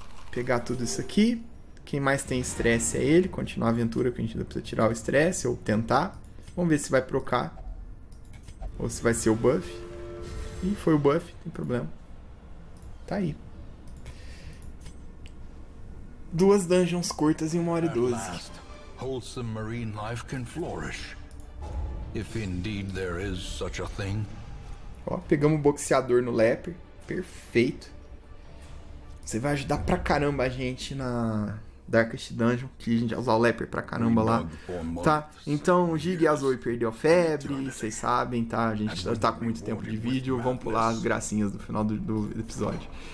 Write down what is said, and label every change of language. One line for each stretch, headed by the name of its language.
Portuguese: Pegar tudo isso aqui, quem mais tem estresse é ele, continuar a aventura que a gente ainda precisa tirar o estresse, ou tentar. Vamos ver se vai procar ou se vai ser o buff. Ih, foi o buff, não tem problema. Tá aí. Duas dungeons curtas em 1 hora e 12.
English: Wholesome marine life can flourish, if indeed there is such a thing.
Portuguese: Ó, pegamos o boxeador no Leper, perfeito. Você vai ajudar pra caramba a gente na Darkest Dungeon, que a gente vai usar o Leper pra caramba lá. Tá, então o Gig e a Zoe perdeu a febre, vocês sabem, tá? A gente já tá com muito tempo de vídeo, vamos pular as gracinhas do final do episódio.